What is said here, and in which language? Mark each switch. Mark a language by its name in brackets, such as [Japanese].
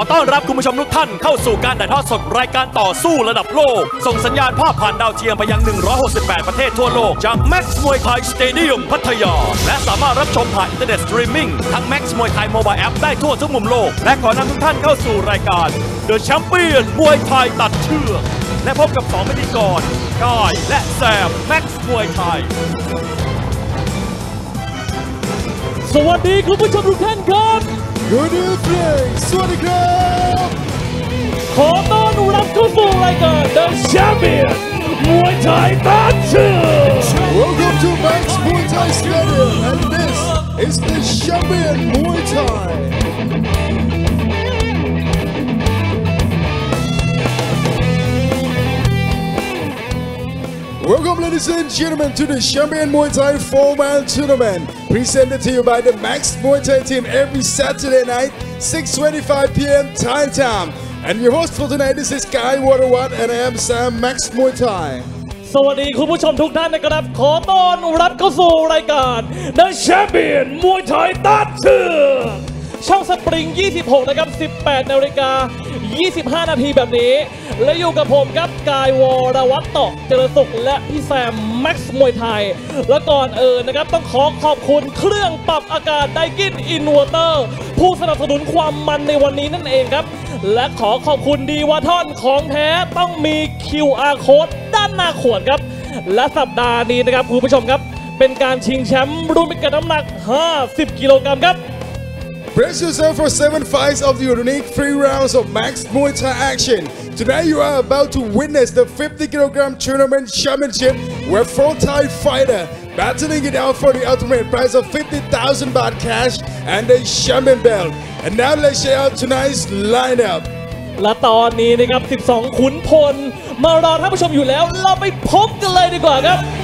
[Thai] ต้อนรับคุณผู้ชมทุกท่านเข้าสู่การถ่ายทอดสดรายการต่อสู้ระดับโลกส่งสัญญาณภาพผ่านดาวเทียมไปยัง168ประเทศทั่วโลกจาก Max Muay Thai Stadium พัทยาและสามารถรับชมผ่านอินเทอร์เน็ตสตรีมมิ่งทั้ง Max Muay Thai Mobile App ได้ทั่วทุกมุมโลกและขอนำทุกท่านเข้าสู่รายการ The Champion Muay Thai ตัดเชือกและพบกับ2พิธีกรกายและแซม Max Muay Thai สวัสดีคุณผู้ชมทุกท่านครับ [English] Good evening [Thai] สวัสดีครับ ขอต้อนรับทุกผู้รายการ The Champion Muay Thai Matchup [English] Welcome to Max Muay Thai Stadium and this is the Champion Muay ThaiWelcome, ladies and gentlemen, to the Champion Muay Thai 4-man tournament presented to you by the Max Muay Thai team every Saturday night, 6:25 p.m. Thai time. And your host for tonight is Kai Waterwat, and I am Sam Max Muay Thai. [Thai] สวัสดีคุณผู้ชมทุกท่านนะครับขอต้อนรับเข้าสู่รายการ The Champion Muay Thai ตัดเชือกช่องสปริง26นะครับ18นาฬิกา25นาทีแบบนี้ และอยู่กับผมครับกายวรวัตรต่อเจริญสุขและพี่แซมแม็กซ์มวยไทยและก่อนเอ่ยนะครับต้องขอขอบคุณเครื่องปรับอากาศไดกินอินวอเตอร์ผู้สนับสนุนความมันในวันนี้นั่นเองครับและขอขอบคุณดีวาทอนของแท้ต้องมี QR code ด้านหน้าขวดครับและสัปดาห์นี้นะครับคุณผู้ชมครับเป็นการชิงแชมป์รุ่นพิกัดน้ำหนัก50กิโลกรัมครับ [English] Brace yourself for 7 fights of the unique 3 rounds of Max Muay Thai action. Today you are about to witness the 50kg tournament championship where 4 Thai fighters battling it out for the ultimate prize of 50,000 baht cash and a champion belt. And now let's check out tonight's lineup. [Thai] และตอนนี้นะครับ12ขุนพลมารอท่านผู้ชมอยู่แล้วเราไปพบกันเลยดีกว่าครับ